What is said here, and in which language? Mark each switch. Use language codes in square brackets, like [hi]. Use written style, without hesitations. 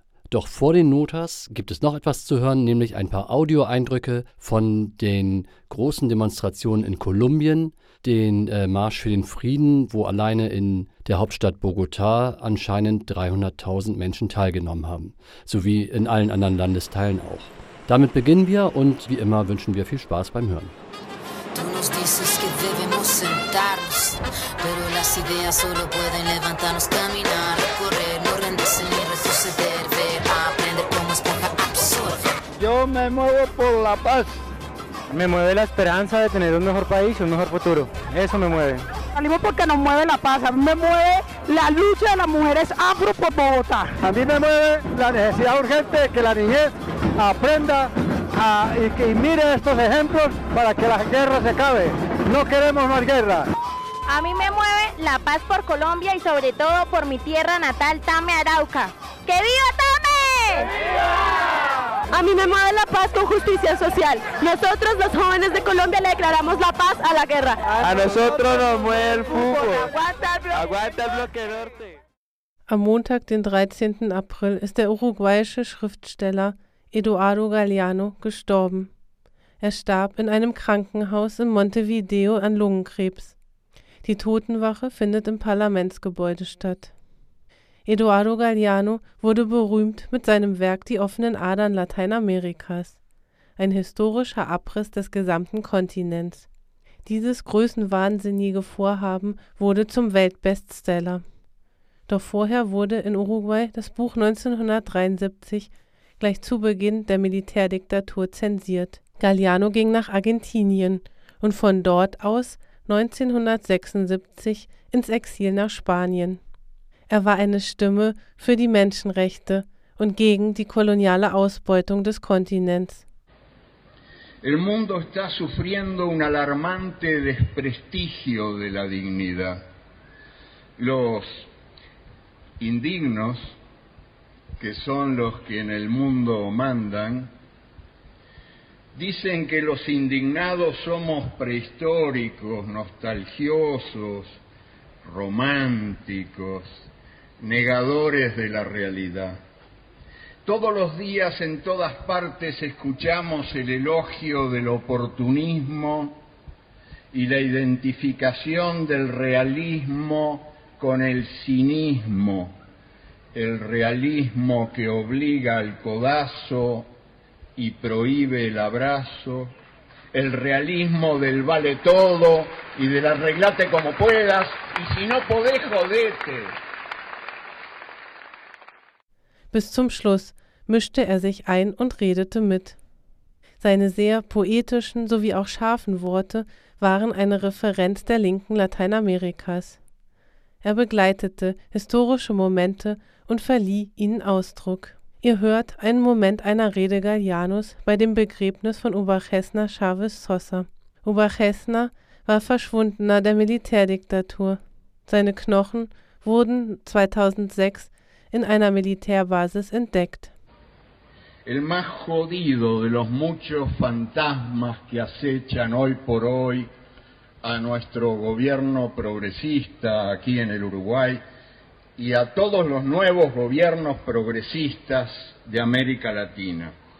[de] Doch vor den Notas gibt es noch etwas zu hören, nämlich ein paar Audioeindrücke von den großen Demonstrationen in Kolumbien, den Marsch für den Frieden, wo alleine in der Hauptstadt Bogotá anscheinend 300.000 Menschen teilgenommen haben, sowie in allen anderen Landesteilen auch. Damit beginnen wir und wie immer wünschen wir viel Spaß beim Hören. [es] Tú nos dices que debemos sentarnos, pero las ideas solo pueden levantarnos, caminar, correr, no rendirse ni retroceder, ver, aprender cómo esponja absorber. Yo me muevo por la paz. Me mueve la esperanza de tener un mejor país y un mejor futuro. Eso me mueve. Salimos porque nos mueve la paz. A mí me mueve la lucha de las mujeres afro por Bogotá. A mí me mueve la necesidad urgente de que la niñez aprenda y mire estos ejemplos para que la guerra se acabe. No queremos más guerra. A mí me mueve la paz por Colombia y sobre todo por mi tierra natal, Tame Arauca. ¡Que viva Tame! ¡Viva! A mí me mueve la paz con justicia social. Nosotros, los jóvenes de Colombia, le declaramos la paz a la guerra. A nosotros nos mueve el fútbol. Aguanta el bloque norte. [de] Am Montag, den 13. April, ist der uruguayische Schriftsteller Eduardo Galeano gestorben. Er starb in einem Krankenhaus in Montevideo an Lungenkrebs. Die Totenwache findet im Parlamentsgebäude statt. Eduardo Galeano wurde berühmt mit seinem Werk Die offenen Adern Lateinamerikas, ein historischer Abriss des gesamten Kontinents. Dieses größenwahnsinnige Vorhaben wurde zum Weltbestseller. Doch vorher wurde in Uruguay das Buch 1973 gleich zu Beginn der Militärdiktatur zensiert. Galeano ging nach Argentinien und von dort aus 1976 ins Exil nach Spanien. Er war eine Stimme für die Menschenrechte und gegen die koloniale Ausbeutung des Kontinents. [es] El mundo está sufriendo un alarmante desprestigio de la dignidad. Los indignos, que son los que en el mundo mandan, dicen que los indignados somos prehistóricos, nostalgiosos, románticos, negadores de la realidad. Todos los días en todas partes escuchamos el elogio del oportunismo y la identificación del realismo con el cinismo, el realismo que obliga al codazo y prohíbe el abrazo, el realismo del vale todo y del arreglate como puedas, y si no podés, jodete. [de] Bis zum Schluss mischte sich ein und redete mit. Seine sehr poetischen sowie auch scharfen Worte waren eine Referenz der linken Lateinamerikas. Er begleitete historische Momente und verlieh ihnen Ausdruck. Ihr hört einen Moment einer Rede Galeanos bei dem Begräbnis von Ubachesna Chavez Sosa. Ubachesna war Verschwundener der Militärdiktatur. Seine Knochen wurden 2006 in einer Militärbasis entdeckt. [es] El más jodido de los muchos fantasmas que acechan hoy por hoy a nuestro gobierno progresista aquí en el Uruguay y a todos los nuevos gobiernos progresistas de América Latina.